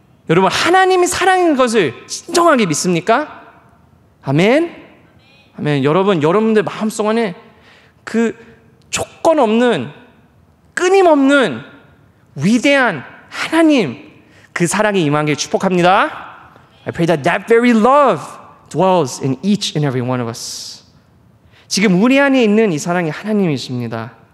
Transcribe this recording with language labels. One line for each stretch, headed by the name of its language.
Korean: 여러분 하나님이 사랑인 것을 진정하게 믿습니까? 아멘. 아멘. 여러분들 마음속 안에 그 조건 없는 끊임없는 위대한 하나님 그 사랑이 임하길 축복합니다.
English: I pray that that very love dwells in each and every one of us.
Korean: 지금 우리 안에 있는 이 사랑이 하나님이십니다.